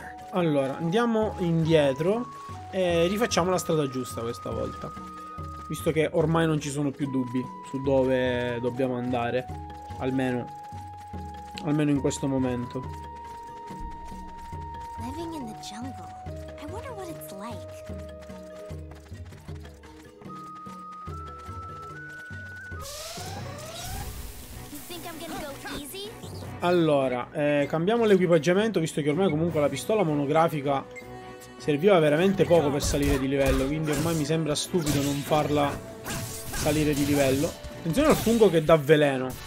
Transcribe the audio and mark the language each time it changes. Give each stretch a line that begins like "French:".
Italian: Allora, andiamo indietro e rifacciamo la strada giusta questa volta, visto che ormai non ci sono più dubbi su dove dobbiamo andare, almeno in questo momento.
English: Living in the jungle. I wonder what it's like. You think I'm gonna go easy?
Italian: Allora, cambiamo l'equipaggiamento, visto che ormai comunque la pistola monografica serviva veramente poco per salire di livello, quindi ormai mi sembra stupido non farla salire di livello. Attenzione al fungo che dà veleno.